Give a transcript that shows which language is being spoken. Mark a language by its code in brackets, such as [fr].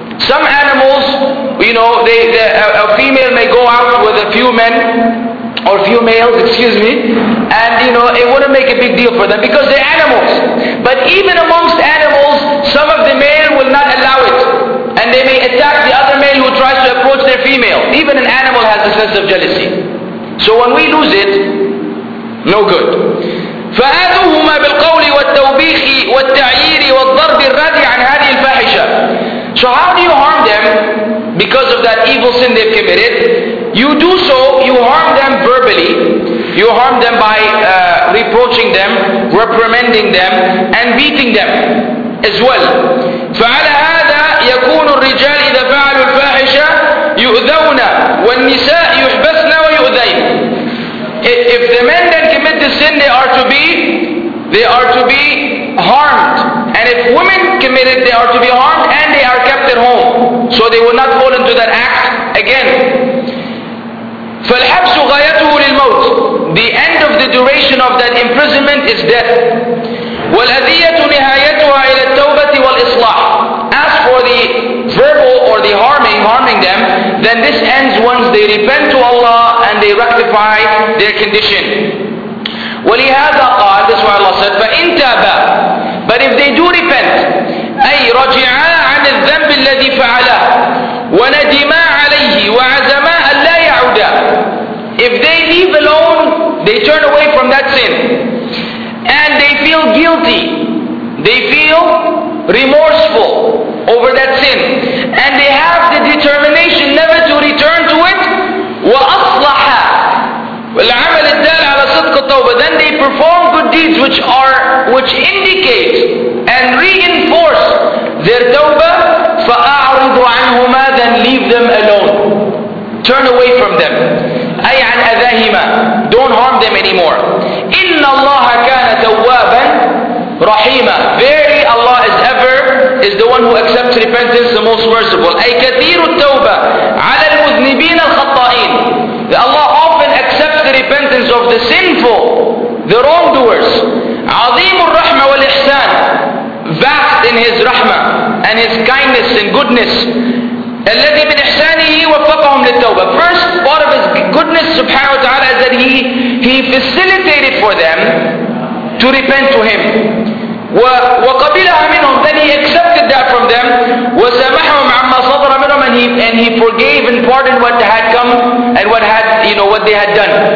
[en] Some animals, a female may go out with a few men, or a few males, excuse me, and it wouldn't make a big deal for them because they're animals. But even amongst animals, some of the male will not allow it. And they may attack the other male who tries to approach their female. Even an animal has a sense of jealousy. So when we lose it, no good. [ar] فآذوهما بالقول والتوبيخ والتعيير والضرب الرادي عن هذه الفاحشة. [en] So how do you harm them because of that evil sin they've committed? You do so, you harm them verbally, you harm them by reproaching them, reprimanding them, and beating them as well. [ar] فعلى هذا يكون الرجال إذا فعلوا الفاحشة يؤذون والنساء يحبسن ويؤذين. [en] If the men then commit the sin, they are to be harmed. And if women commit it, they are to be harmed and they are kept at home. So they will not fall into that act again. [ar] فَالْحَبْسُ غَيَتُهُ لِلْمَوْتِ. [en] The end of the duration of that imprisonment is death. [ar] وَالْأَذِيَّةُ نِهَايَتُهَا إِلَى التَّوْبَةِ وَالْإِصْلَاحِ. [en] As for the verbal or the harming them, then this ends once they repent to Allah and they rectify their condition. [ar] وَلِهَذَا قَالَ. [en] This is why Allah said, [ar] فَإِن تَابَا. [en] But if they do repent, [ar] أي رَجِعَا عَنِ الذَّنْبِ الَّذِي فَعَلَا وَنَدِمَا عَلَيْهِ وَعَزَمَا أَلَّا يَعُدَا. [en] If they leave alone, they turn away from that sin, and they feel guilty, they feel remorseful over that sin, and they have the determination never to return to it. [ar] وَأَصْلَحَا الْعَمَلِ الدَّالَ عَلَى صِدْقِ التَّوْبَةِ. [en] Then they perform good deeds which indicate and reinforce their tawbah. [ar] فَأَعْرِضُ عَنْهُمَا. [en] Then leave them alone. Turn away from them. [ar] أي عن أذاهما. [en] Don't harm them anymore. [ar] إِنَّ اللَّهَ كَانَ تَوَّابًا رَحِيمًا. [en] Verily Allah is the one who accepts repentance the most merciful. [ar] أي كثير التوبة على المذنبين الخطائين. [en] Allah often accepts the repentance of the sinful, the wrongdoers. [ar] عظيم الرحمة والإحسان. [en] Vast in His rahmah and His kindness and goodness. [ar] الذي من إحسانه وفقهم للتوبة. [en] First part of His goodness سبحانه وتعالى is that He facilitated for them to repent to Him. [ar] وقبلها منهم. [en] Then He accepted that from them. [ar] وسامحهم عما صدر منهم. [en] And he forgave and pardoned what had come and what had, what they had done.